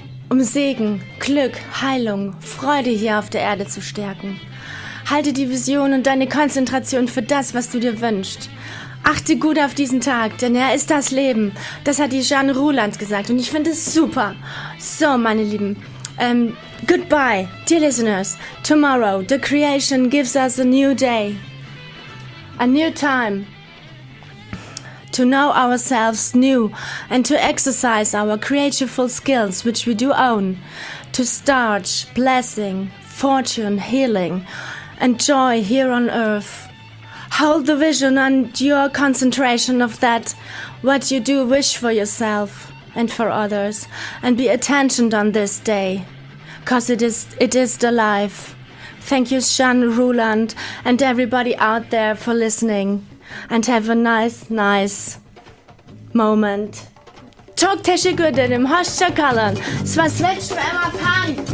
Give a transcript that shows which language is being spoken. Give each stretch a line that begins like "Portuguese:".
German: Um Segen, Glück, Heilung, Freude hier auf der Erde zu stärken. Halte die Vision und deine Konzentration für das, was du dir wünschst. Achte gut auf diesen Tag, denn er ist das Leben. Das hat die Jeanne Ruhland gesagt und ich finde es super. So, meine Lieben,
English: goodbye, dear listeners. Tomorrow, the creation gives us a new day. A new time to know ourselves new and to exercise our creative skills, which we do own. To start blessing, fortune, healing, and joy here on earth. Hold the vision and your concentration of that what you do wish for yourself and for others, and be attentioned on this day, cause it is the life. Thank you, Jeanne Ruhland, and everybody out there for listening, and have a nice moment. Talk Tische Gürtel im Hostschakalern. Es war Switch für Emma Pan.